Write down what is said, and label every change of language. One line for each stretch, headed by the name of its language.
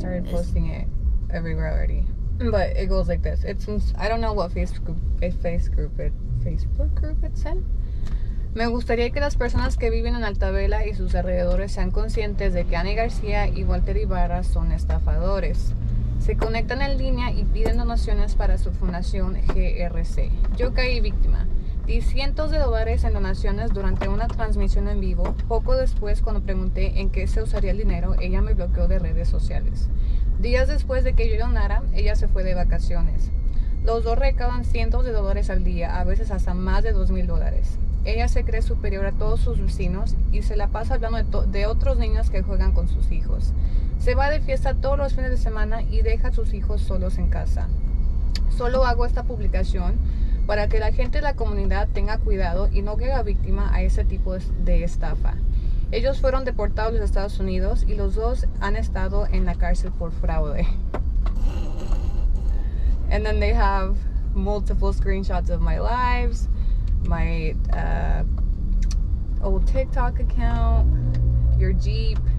English: Posting it everywhere already, but it goes like this. It's in, I don't know what Facebook group it's in.
Spanish: Me gustaría que las personas que viven en Altavela y sus alrededores sean conscientes de que Annie García y Walter Ibarra son estafadores. Se conectan en línea y piden donaciones para su fundación GRC. Yo caí víctima. Di cientos de dólares en donaciones durante una transmisión en vivo. Poco después, cuando pregunté en qué se usaría el dinero, ella me bloqueó de redes sociales. Días después de que yo donara, ella se fue de vacaciones. Los dos recaudan cientos de dólares al día, a veces hasta más de $2,000. Ella se cree superior a todos sus vecinos y se la pasa hablando de otros niños que juegan con sus hijos. Se va de fiesta todos los fines de semana y deja a sus hijos solos en casa. Solo hago esta publicación para que la gente de la comunidad tenga cuidado y no quede víctima a ese tipo de estafa. Ellos fueron deportados a los Estados Unidos y los dos han estado en la cárcel por fraude.
English: And then they have multiple screenshots of my lives, my old TikTok account, your Jeep.